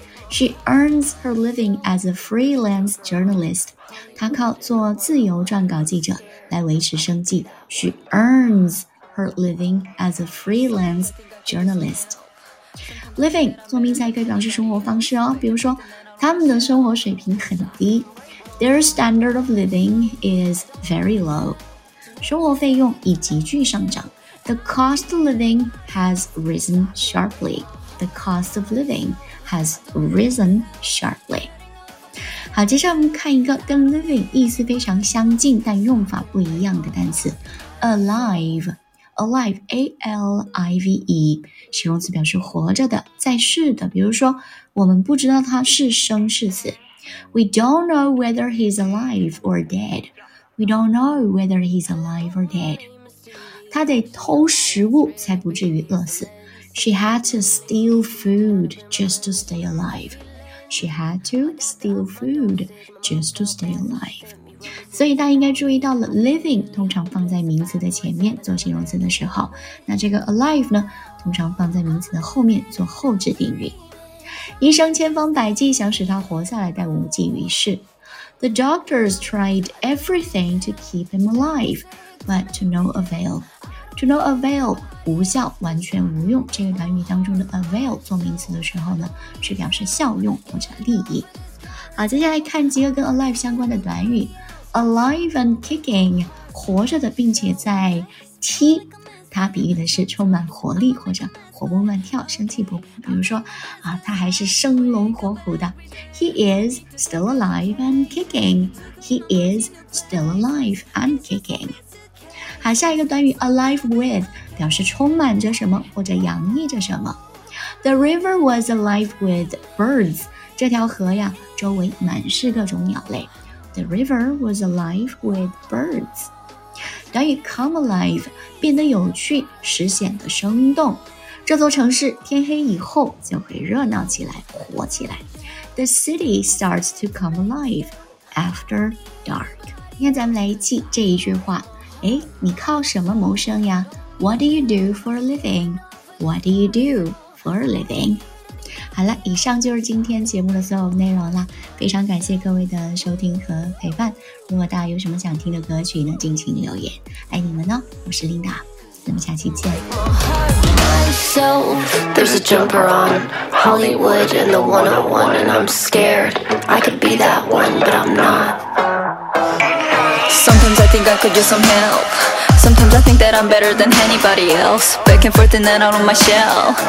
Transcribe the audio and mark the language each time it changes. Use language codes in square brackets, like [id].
[en] She earns her living as a freelance journalist， [zh] 她靠做自由撰稿记者来维持生计。 [en] She earns her living as a freelance journalist。 [zh] Living 做名词也可以表示生活方式哦，比如说他们的生活水平很低。 [en] Their standard of living is very low。 [zh] 生活费用已急剧上涨。 [en] The cost of living has risen sharply。 The cost of living has risen sharply。 [zh] 好，接下来我们看一个跟 living 意思非常相近但用法不一样的单词。 [en] Alive。 [zh] Alive, A-L-I-V-E， 形容词表示活着的，在世的。比如说我们不知道他是生是死。 [en] We don't know whether he's alive or dead. We don't know whether he's alive or dead. [zh] 他得偷食物才不至于饿死。 [en] She had to steal food just to stay alive. She had to steal food just to stay alive. [zh] 所以大家应该注意到了 living 通常放在名词的前面做形容词的时候。那这个 alive 呢，通常放在名词的后面做后置定语。医生千方百计想使他活下来，但无济于事。 [en] The doctors tried everything to keep him alive, but to no avail. To no avail, [zh] 无效，完全无用。这个短语当中的 avail 做名词的时候呢，是表示效用或者利益。好，接下来看几个跟 alive 相关的短语。 [en] Alive and kicking, [zh] 活着的并且在踢。它比喻的是充满活力或者活蹦乱跳、生气勃勃。比如说，啊，他还是生龙活虎的。 [en] He is still alive and kicking. He is still alive and kicking. [zh] 好，下一个短语 alive with 表示充满着什么或者洋溢着什么。 [en] The river was alive with birds. [zh] 这条河呀，周围满是各种鸟类。 [en] The river was alive with birds. [zh] 短语 come alive， 变得有趣，实显得生动。这座城市天黑以后就会热闹起来，活起来。 [en] The city starts to come alive after dark。 [zh] 今天咱们来记这一句话。哎，你靠什么谋生呀 ？ [en] What do you do for a living？ What do you do for a living？ [zh] 好了，以上就是今天节目的所有内容了。非常感谢各位的收听和陪伴。如果大家有什么想听的歌曲呢，尽情留言。爱你们哦，我是 Linda， 咱们下期见。 [en] There's a jumper on Hollywood and the 101 and I'm scared. I could be that one, but I'm not. Sometimes I think I could use some help. Sometimes I think that I'm better than anybody else. Back and forth and then out of my shell.